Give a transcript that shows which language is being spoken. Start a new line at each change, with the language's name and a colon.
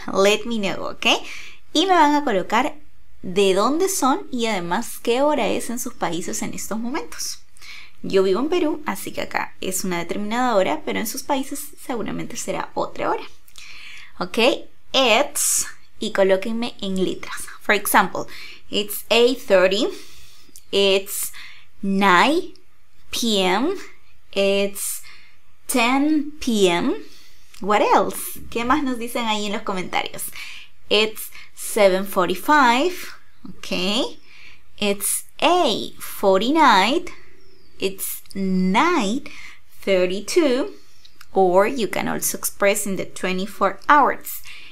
English: Let me know, ¿ok?
Spanish: Y me van a colocar de dónde son y además qué hora es en sus países en estos momentos. Yo vivo en Perú, así que acá es una determinada hora, pero en sus países seguramente será otra hora.
English: Ok, it's,
Spanish: y colóquenme en letras.
English: For example, it's 8:30, it's 9 p.m., it's 10 p.m., what else?
Spanish: ¿Qué más nos dicen ahí en los comentarios?
English: It's 7:45, ok, it's 8:49, it's 9:32, or you can also express in the 24 hours.